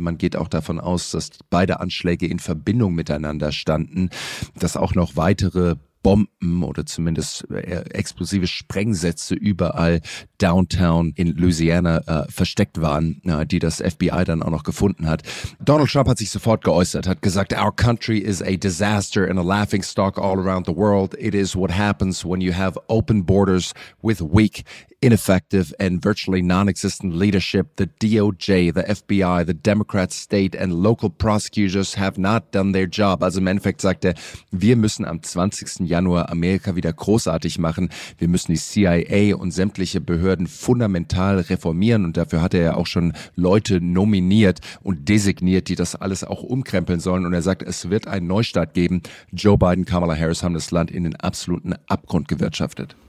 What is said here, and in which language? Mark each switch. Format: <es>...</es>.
<de>Man geht auch davon aus, dass beide Anschläge in Verbindung miteinander standen, dass auch noch weitere Bomben oder zumindest explosive Sprengsätze überall downtown in Louisiana versteckt waren, die das FBI dann auch noch gefunden hat. Donald Trump hat sich sofort geäußert, hat gesagt,</de> <en>our country is a disaster and a laughingstock all around the world. It is what happens when you have open borders with weak, ineffective and virtually non-existent leadership. The DOJ, the FBI, the Democrat state and local prosecutors have not done their job.</en> <de>Also im Endeffekt sagt er, wir müssen am 20. Januar Amerika wieder großartig machen. Wir müssen die CIA und sämtliche Behörden fundamental reformieren und dafür hat er ja auch schon Leute nominiert und designiert, die das alles auch umkrempeln sollen. Und er sagt, es wird einen Neustart geben. Joe Biden, Kamala Harris haben das Land in den absoluten Abgrund gewirtschaftet.</de>